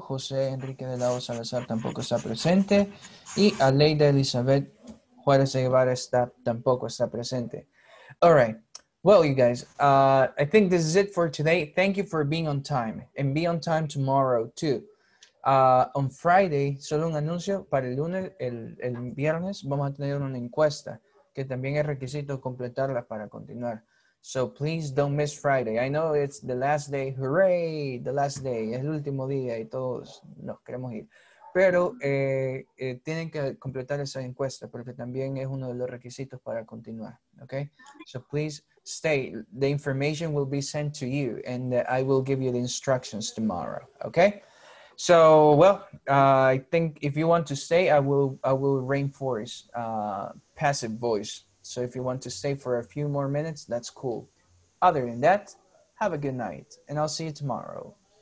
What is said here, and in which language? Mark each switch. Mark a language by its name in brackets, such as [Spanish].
[Spanish] José Enrique de la O Salazar tampoco está presente. Y Aleida Elizabeth Juárez de Guevara tampoco está presente. [English] All right. Well, you guys, I think this is it for today. Thank you for being on time, and be on time tomorrow too. On Friday, [Spanish] solo un anuncio para el lunes, el viernes, vamos a tener una encuesta que también es requisito completarla para continuar. [English] So please don't miss Friday. I know it's the last day. Hooray, the last day. [Spanish] Es el último día y todos nos queremos ir. Pero tienen que completar esa encuesta porque también es uno de los requisitos para continuar. [English] Okay? So please stay. The information will be sent to you and I will give you the instructions tomorrow. Okay? So, well, I think if you want to stay, I will reinforce passive voice. So if you want to stay for a few more minutes, that's cool. Other than that, have a good night and I'll see you tomorrow.